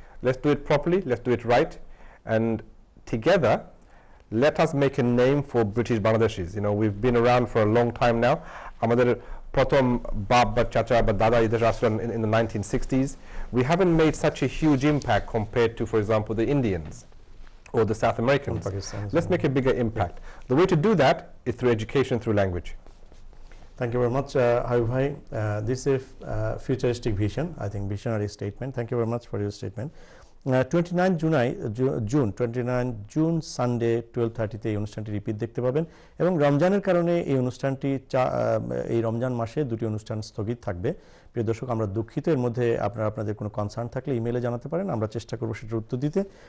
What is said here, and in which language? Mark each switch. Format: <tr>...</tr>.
<en>Let's do it properly, let's do it right, and together let us make a name for British Bangladeshis. You know we've been around for long time now,</en> <bn>আমাদের প্রথম বাপ বা চাচা বা দাদা এদেশে আসলেন</bn> <en>In the 1960s, we haven't made such a huge impact compare to for example the Indians or the South Americans. Let's make a bigger impact. The way to do that is through education, through language. Thank you very much, Hayu Bhai. This is a futuristic vision, I think, visionary statement. Thank you very much for your statement.</en> <bn>29 June, Sunday, 12:30, এই অনুষ্ঠানটি repeat দেখতে পাবেন, এবং রমজানের কারণে এই অনুষ্ঠানটি, এই রমজান মাসে দুটি অনুষ্ঠান স্থগিত থাকবে। প্রিয় দর্শক, আমরা দুঃখিত, এর মধ্যে আপনারা আপনাদের কোনো কনসার্ন থাকলে ইমেলে জানাতে পারেন, আমরা চেষ্টা করবো সেটার উত্তর দিতে।</bn>